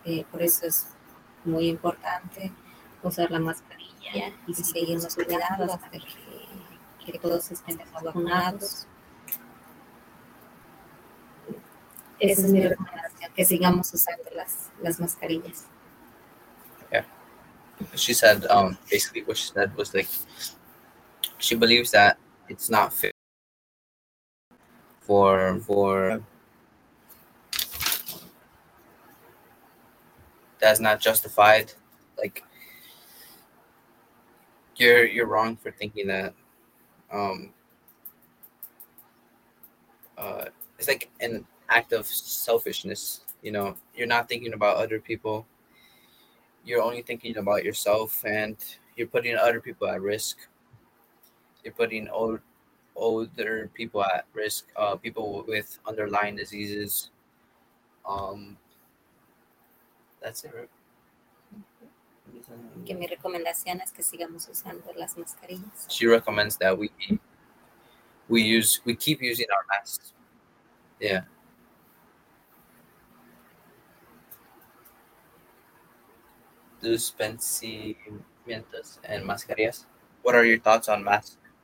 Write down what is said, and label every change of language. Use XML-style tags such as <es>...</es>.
<es>Por eso es muy importante usar la mascarilla y seguirnos cuidando hasta que todos estén vacunados. Esa es mi recomendación, que sigamos usando las mascarillas.</es> <en>Yeah. She said, basically what she said was like, she believes that it's not fair for that's not justified. Like, you're wrong for thinking that. It's like an act of selfishness. You know, you're not thinking about other people. You're only thinking about yourself, and you're putting other people at risk. You're putting older people at risk. People with underlying diseases. That's it.</en> <es>Que mi recomendación es que sigamos usando las mascarillas.</es> <en>She recommends that we keep using our masks. Yeah.</en> <es>Dispensamientos and mascarillas.</es> <en>What are your thoughts on masks?</en>